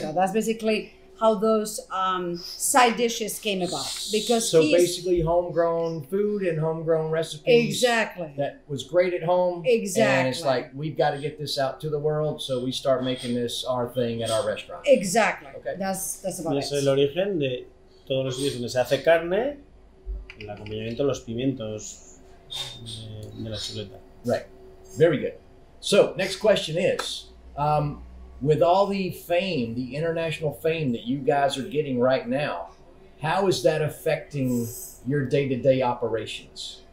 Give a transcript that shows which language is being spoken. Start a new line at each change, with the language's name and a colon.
English: So that's basically how those side dishes came about. Because so basically homegrown food and homegrown recipes. Exactly. That was great at home. Exactly. And it's like, we've got to get this out to the world, so we start making this our thing at our restaurant. Exactly. Okay. That's about it.
Spanish: Y eso es el origen de todos los sitios donde se hace carne, el acompañamiento de los pimientos de la chuleta.
English: Right. Very good. So, next question is, with all the fame, the international fame that you guys are getting right now, how is that affecting your day-to-day operations?